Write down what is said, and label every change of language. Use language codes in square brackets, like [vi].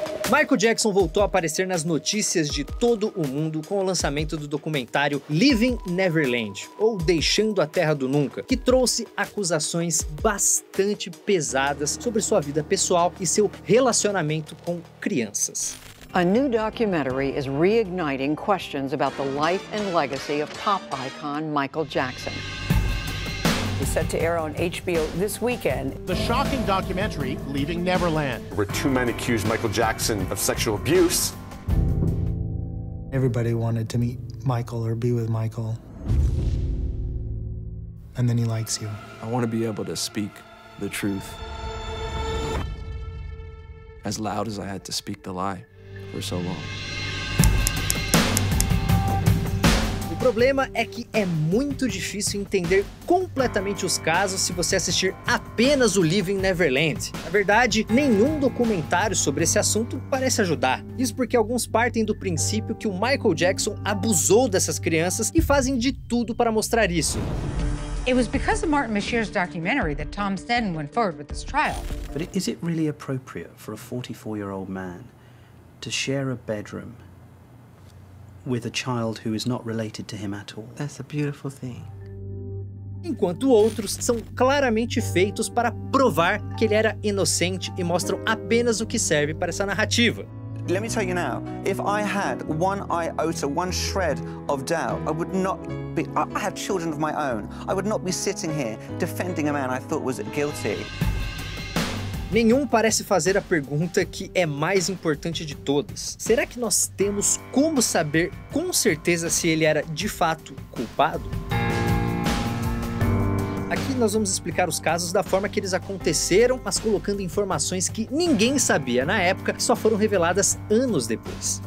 [pt] Michael Jackson voltou a aparecer nas notícias de todo o mundo com o lançamento do documentário Leaving Neverland, ou Deixando a Terra do Nunca, que trouxe acusações bastante pesadas sobre sua vida pessoal e seu relacionamento com crianças. [en] A new documentary is reigniting questions about the life and legacy of pop icon Michael Jackson. Set to air on HBO this weekend. The shocking documentary, Leaving Neverland. Where two men accused Michael Jackson of sexual abuse. Everybody wanted to meet Michael or be with Michael. And then he likes you. I want to be able to speak the truth. As loud as I had to speak the lie for so long. [pt] O problema é que é muito difícil entender completamente os casos se você assistir apenas o Leaving Neverland. Na verdade, nenhum documentário sobre esse assunto parece ajudar. Isso porque alguns partem do princípio que o Michael Jackson abusou dessas crianças e fazem de tudo para mostrar isso. [en] It was because of Martin Bashir's documentary that Tom Snedden went forward with this trial. But is it really appropriate for a 44-year-old man to share a bedroom with a child who is not related to him at all? That's a beautiful thing. [pt] Enquanto outros são claramente feitos para provar que ele era inocente e mostram apenas o que serve para essa narrativa. [en] Let me tell you now, if I had one iota, one shred of doubt, I would not be, I have children of my own, I would not be sitting here defending a man I thought was guilty. [pt] Nenhum parece fazer a pergunta que é mais importante de todas. Será que nós temos como saber com certeza se ele era de fato culpado? Aqui nós vamos explicar os casos da forma que eles aconteceram, mas colocando informações que ninguém sabia na época e só foram reveladas anos depois.